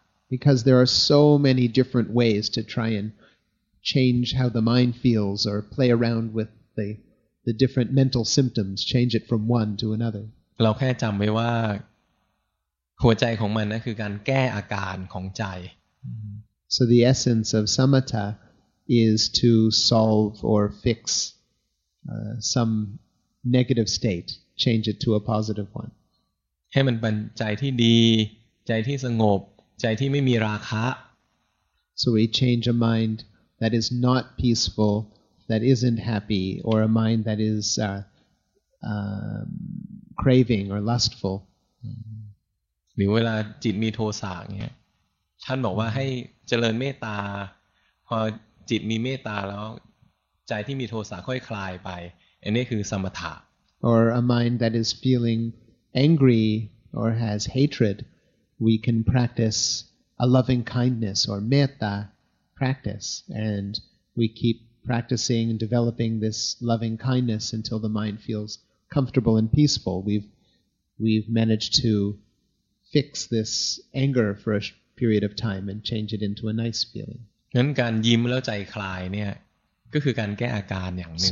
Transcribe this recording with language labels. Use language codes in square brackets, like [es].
[en] Because there are so many different ways to try and change how the mind feels or play around with the different mental symptoms, change it from one to another. [th] เราแค่จำไว้ว่าหัวใจของมันนะคือการแก้อาการของใจ [en] So the essence of samatha is to solve or fix some negative state change it to a positive one [th] ให้มันเป็นใจที่ดีใจที่สงบใจที่ไม่มีราคะ [en] So we change a mind that is not peaceful that isn't happy or a mind that is craving or lustful [th] หรือเวลาจิตมีโทสะอย่างเงี้ยท่านบอกว่าให้เจริญเมตตาพอจิตมีเมตตาแล้วใจที่มีโทสะค่อยคลายไปอันนี้คือสมถะ [en] or a mind that is feeling angry or has hatred we can practice a loving kindness or metta practice and we keep practicing and developing this loving kindness until the mind feels comfortable and peaceful we've managed tofix this anger for a period of time and change it into a nice feeling [th] งั้นการยิ้มแล้วใจคลายเนี่ยก็คือการแก้อาการอย่างนึง